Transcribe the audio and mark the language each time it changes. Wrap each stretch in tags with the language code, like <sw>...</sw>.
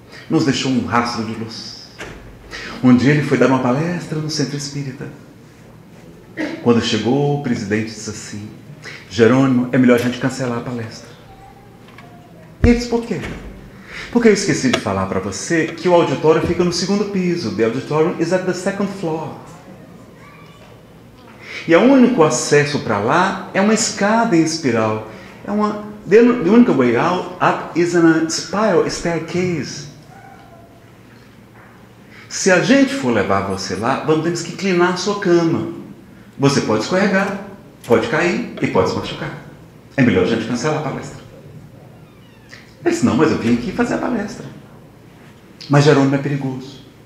<pt>Nos deixou um rastro de luz. Um dia ele foi dar uma palestra no centro espírita. Quando chegou, o presidente disse assim: Jerônimo, é melhor a gente cancelar a palestra. E ele disse: por quê? Porque eu esqueci de falar para você que o auditório fica no segundo piso.</pt> <en>The auditorium is at the second floor.</en> <pt>E o único acesso para lá é uma escada em espiral. É uma,</pt> <en>the only way out up is in a spiral staircase.</en> <pt>Se a gente for levar você lá, vamos ter que inclinar a sua cama. Você pode escorregar, pode cair e pode se machucar. É melhor a gente cancelar a palestra. Ele disse: não, mas eu vim aqui fazer a palestra. Mas Jerônimo é perigoso.</pt>